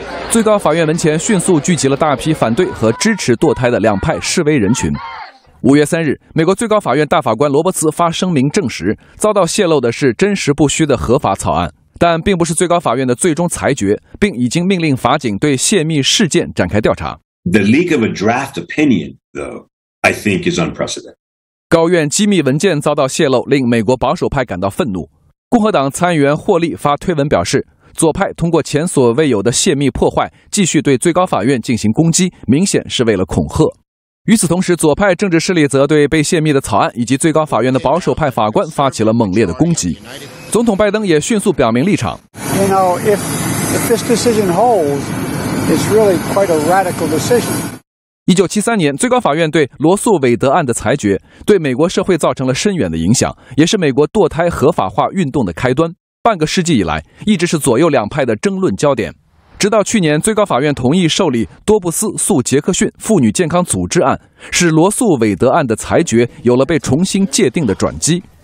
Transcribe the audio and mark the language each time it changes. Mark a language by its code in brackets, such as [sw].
[zh] 最高法院门前迅速聚集了大批反对和支持堕胎的两派示威人群。 5月3日，美国最高法院大法官罗伯茨发声明证实，遭到泄露的是真实不虚的合法草案，但并不是最高法院的最终裁决，并已经命令法警对泄密事件展开调查。 [en] The leak of a draft opinion, though, I think is unprecedented. [zh] 高院机密文件遭到泄露，令美国保守派感到愤怒。共和党参议员霍利发推文表示，左派通过前所未有的泄密破坏继续对最高法院进行攻击，明显是为了恐吓。与此同时，左派政治势力则对被泄密的草案以及最高法院的保守派法官发起了猛烈的攻击。总统拜登也迅速表明立场。 [en] You know, if this decision holds, it's really quite a radical decision. [zh] 1973年最高法院对罗素韦德案的裁决，对美国社会造成了深远的影响，也是美国堕胎合法化运动的开端。半个世纪以来，一直是左右两派的争论焦点。直到去年，最高法院同意受理多布斯诉杰克逊妇女健康组织案，使罗素韦德案的裁决有了被重新界定的转机。